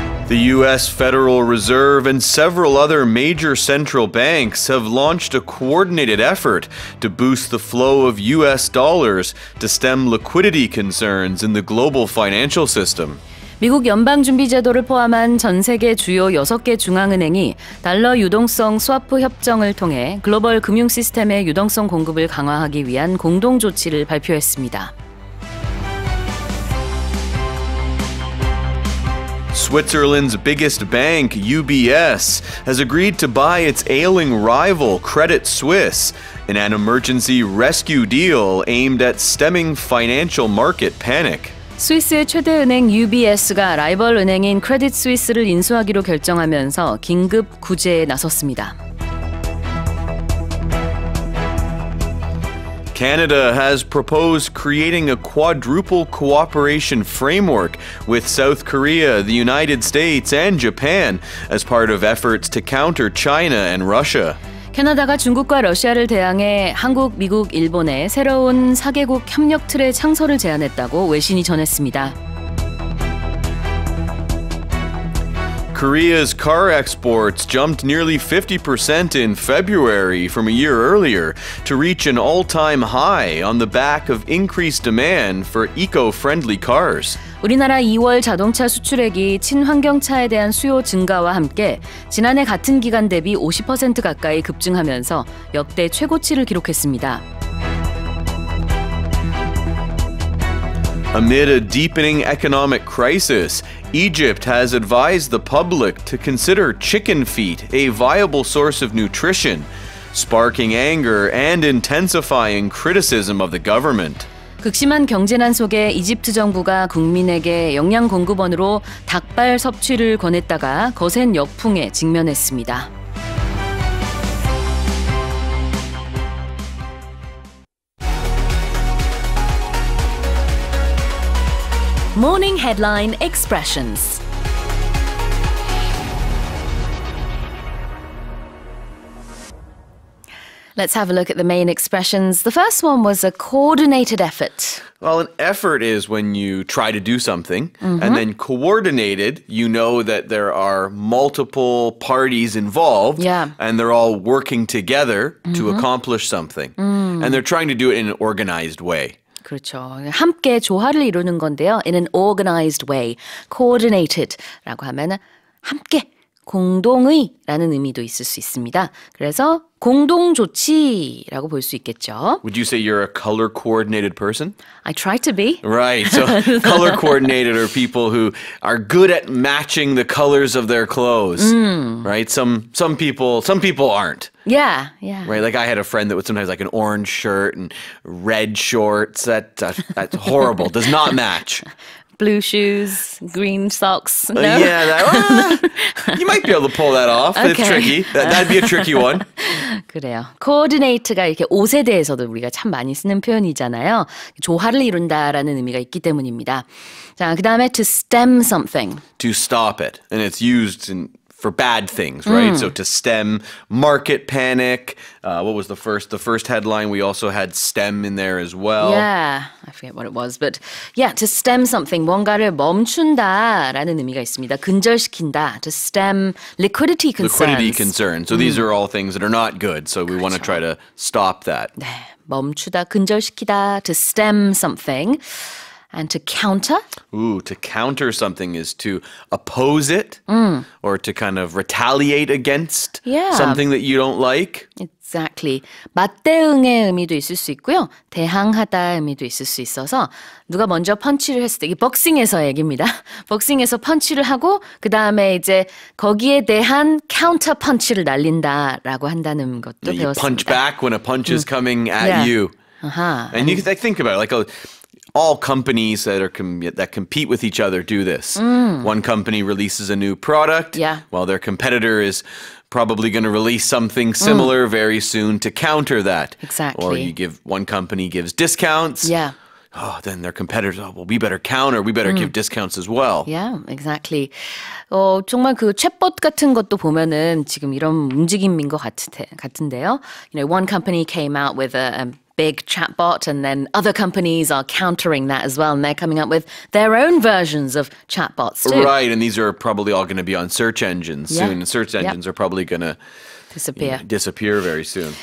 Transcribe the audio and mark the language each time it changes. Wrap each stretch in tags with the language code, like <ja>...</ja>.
<en>미국 Federal Reserve and several other major central banks have launched a coordinated effort to boost the flow of US dollars to stem liquidity concerns in the global financial system.</en> <ko>미국 연방 준비 제도를 포함한 전 세계 주요 6개 중앙은행이 달러 유동성 스와프 협정을 통해 글로벌 금융 시스템의 유동성 공급을 강화하기 위한 공동 조치를 발표했습니다.</ko> <en>Switzerland's biggest bank, UBS, has agreed to buy its ailing rival, Credit Suisse, in an emergency rescue deal aimed at stemming financial market panic.</en> <ko>스위스의 최대 은행 UBS가 라이벌 은행인 Credit Suisse를 인수하기로 결정하면서 긴급 구제에 나섰습니다.</ko> <en>Canada has proposed creating a quadruple cooperation framework with South Korea, the United States, and Japan as part of efforts to counter China and Russia.</en> <ko>캐나다가 중국과 러시아를 대항해 한국, 미국, 일본의 새로운 4개국 협력 틀의 창설을 제안했다고 외신이 전했습니다.</ko> <en>Korea's car exports jumped nearly 50% in February from a year earlier to reach an all-time high on the back of increased demand for eco-friendly cars.</en> <ko>우리나라 2월 자동차 수출액이 친환경차에 대한 수요 증가와 함께 지난해 같은 기간 대비 50% 가까이 급증하면서 역대 최고치를 기록했습니다.</ko> <en>Amid a deepening economic crisis, Egypt has advised the public to consider chicken feet a viable source of nutrition, sparking anger and intensifying criticism of the government.</en> <ko>극심한 경제난 속에 이집트 정부가 국민에게 영양 공급원으로 닭발 섭취를 권했다가 거센 역풍에 직면했습니다.</ko> <en>Morning Headline Expressions. Let's have a look at the main expressions. The first one was a coordinated effort. Well, an effort is when you try to do something. Mm-hmm. And then coordinated, you know that there are multiple parties involved. Yeah. And they're all working together mm-hmm. to accomplish something. Mm. And they're trying to do it in an organized way.</en> <ko>그렇죠. 함께 조화를 이루는 건데요.</ko> <en>In an organized way,</en> <ko>coordinated라고 하면 함께, 공동의라는 의미도 있을 수 있습니다. 그래서 공동조치라고 볼 수 있겠죠.</ko> <en>Would you say you're a color-coordinated person? I try to be. Right. So color-coordinated are people who are good at matching the colors of their clothes. Mm. Right? Some people aren't. Yeah, yeah. Right, like I had a friend that would sometimes like an orange shirt and red shorts. That's horrible. Does not match. Blue shoes, green socks. No? Yeah, you might be able to pull that off. Okay. It's tricky. That'd be a tricky one.</en> <ko>그래요. Coordinate가 이렇게 옷에 대해서도 우리가 참 많이 쓰는 표현이잖아요. 조화를 이룬다라는 의미가 있기 때문입니다. 자, 그 다음에</ko> <en>to stem something. To stop it. And it's used in... for bad things, right? Mm. So to stem market panic. What was the first headline? We also had stem in there as well. Yeah, I forget what it was. But yeah, to stem something.</en> <ko>뭔가를 멈춘다라는 의미가 있습니다. 근절시킨다.</ko> <en>To stem liquidity concerns. Liquidity concerns. So these are all things that are not good. So we</en> <ko>그렇죠.</ko> <en>want to try to stop that.</en> <ko>네, 멈추다, 근절시키다.</ko> <en>To stem something. And to counter? Ooh, to counter something is to oppose it or to kind of retaliate against something that you don't like. Exactly.</en> <ko>맞대응의 의미도 있을 수 있고요. 대항하다의 의미도 있을 수 있어서 누가 먼저 펀치를 했을 때, 이게 복싱에서 얘기입니다. 복싱에서 펀치를 하고 그 다음에 이제 거기에 대한 counter punch를 날린다라고 한다는 것도 배웠습니다.</ko> <en>Punch back when a punch is coming at you. Uh-huh. And you can think about it, like a... All companies that compete with each other do this. Mm. One company releases a new product, while their competitor is probably going to release something similar very soon to counter that. Exactly. Or one company gives discounts. Yeah. Oh, then their competitors, oh, well, we better counter. We better give discounts as well. Yeah, exactly.</en> <ko>정말 그 챗봇 같은 것도 보면은 지금 이런 움직임인 것 같은데요.</ko> <en>You know, one company came out with a big chatbot, and then other companies are countering that as well, and they're coming up with their own versions of chatbots too. Right, and these are probably all going to be on search engines soon. Search engines are probably going to disappear very soon.</en>